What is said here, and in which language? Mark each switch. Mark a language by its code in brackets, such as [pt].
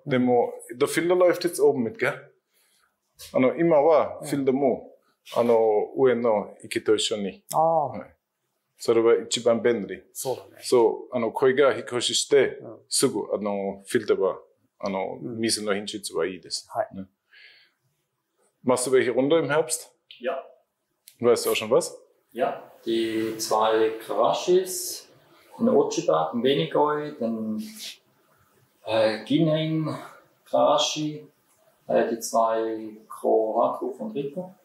[ja] でも、ドフィルダー [de] läuft jetzt oben mit, gell? [ja] 今は、フィルダーも、上の池と一緒に。ああ。それは一番便利。そうだね。そう、鯉が引っ越しして、うん、すぐ、フィルターは、水の品質はいいです。はい。ね、 [de] machst du welche Runde im Herbst? Ja. Weißt du auch schon was? Ja, die zwei Karashis, ein Ochiba, ein Benigoi, dann Ginhain Karashi, die zwei Kohaku von Rico.